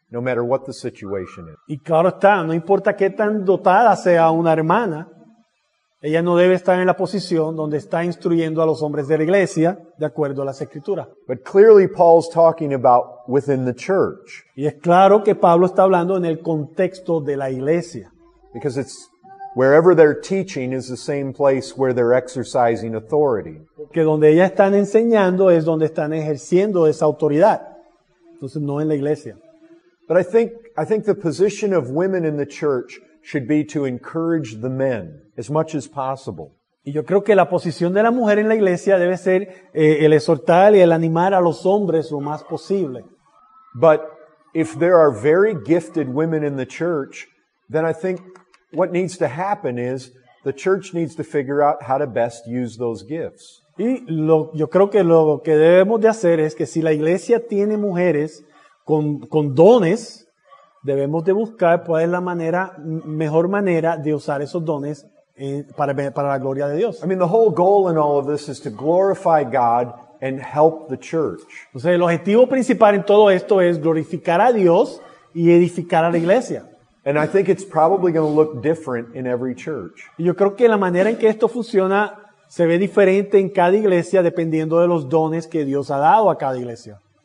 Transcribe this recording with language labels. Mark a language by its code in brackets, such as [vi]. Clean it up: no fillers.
[en] No matter what the situation is. [es] Y claro está, no importa qué tan dotada sea una hermana, ella no debe estar en la posición donde está instruyendo a los hombres de la iglesia de acuerdo a las Escrituras. [en] But clearly Paul's talking about within the church. [es] Y es claro que Pablo está hablando en el contexto de la iglesia. [en] Because it's wherever they're teaching is the same place where they're exercising authority. [es] Porque donde ellas están enseñando es donde están ejerciendo esa autoridad. Entonces no en la iglesia. [en] But I think the position of women in the church should be to encourage the men as much as possible. [es] Y yo creo que la posición de la mujer en la iglesia debe ser el exhortar y el animar a los hombres lo más posible. [en] But if there are very gifted women in the church, then I think what needs to happen is the church needs to figure out how to best use those gifts. [es] Y lo, yo creo que lo que debemos de hacer es que si la iglesia tiene mujeres con dones, debemos de buscar cuál es la manera, mejor manera de usar esos dones para la gloria de Dios. [en] I mean, the whole goal in all of this is to glorify God and help the church. [es] O sea, el objetivo principal en todo esto es glorificar a Dios y edificar a la iglesia. [en] And I think it's probably going to look different in every church. [es] Yo creo que la manera en que esto funciona se ve diferente en cada iglesia dependiendo de los dones que Dios ha dado a cada iglesia.